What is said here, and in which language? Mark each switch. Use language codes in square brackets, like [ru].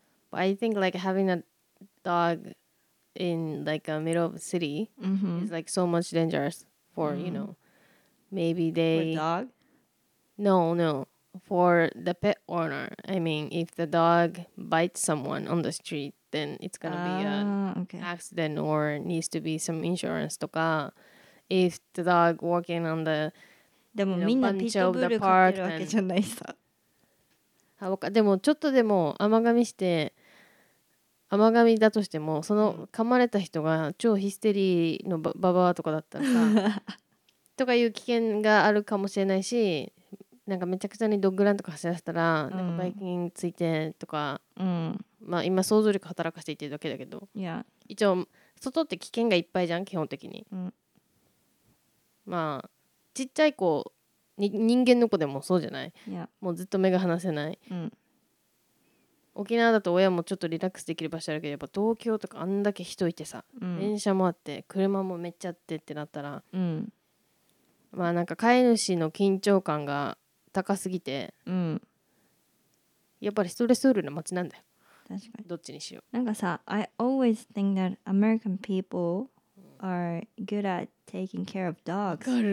[en] But I think like having a dog in like a middle of a city、is like so much dangerous for,、you know, maybe they... For a dog? No. For the pet owner. I mean, if the dog bites someone on the street, then it's gonna be an、accident or needs to be some insurance とか. If the dog walking on the... [ja] でもみんなピットブル飼ってるわけじゃないさ。でもちょっとでも甘噛みだとしても、その噛まれた人が超ヒステリーのババアとかだったらさ、とかいう危険があるかもしれないし、なんかめちゃくちゃにドッグランとか走らせたら、なんかバイキンついてとか、まあ今想像力働かせていってるだけだけど、 [en] yeah. [ja] 一応外って危険がいっぱいじゃん基本的に。まあ。ちっちゃい子に、人間の子でもそうじゃない、 [en] yeah. [ja] もうずっと目が離せない、沖縄だと親もちょっとリラックスできる場所あるけど、やっぱ東京とかあんだけ人いてさ、電車もあって車もめっちゃあってってなったら、まあなんか飼い主の緊張感が高すぎて、やっぱりストレスフルな街なんだよ。確かに。どっちにしよう。なんかさ、 [en] I always think that American peopleare good at taking care of dogs.